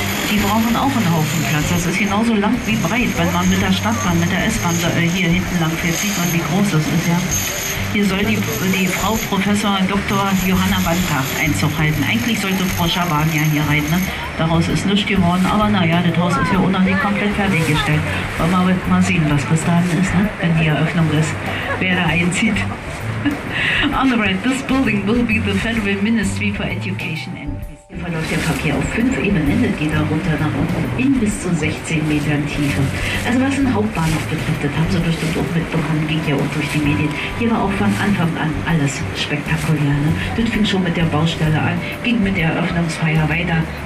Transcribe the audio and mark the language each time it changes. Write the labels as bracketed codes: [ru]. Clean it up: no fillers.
[de] Die brauchen auch einen Haufen Platz. Das ist genauso lang wie breit, wenn man mit der Stadtbahn, mit der S-Bahn hier hinten lang fährt, sieht man, wie groß das ist. Ja. Hier soll die Frau Professor Dr. Johanna Bantach Einzug halten. Eigentlich sollte Frau Schaban ja hier reiten. Ne? Daraus ist nichts geworden. Aber naja, das Haus ist ja auch noch nicht komplett fertiggestellt. Wollen wir mal sehen, was bis dahin ist, ne? Wenn die Eröffnung ist, wer da einzieht. [en] On the right, this building will be the Federal Ministry for Education. [de] Hier verläuft der Verkehr auf 5 Ebenen, das geht da runter nach unten, in bis zu 16 Metern Tiefe. Also was den Hauptbahnhof betrifft, das haben Sie bestimmt auch mitbekommen, ging ja auch durch die Medien. Hier war auch von Anfang an alles spektakulär. Ne? Das fing schon mit der Baustelle an, ging mit der Eröffnungsfeier weiter.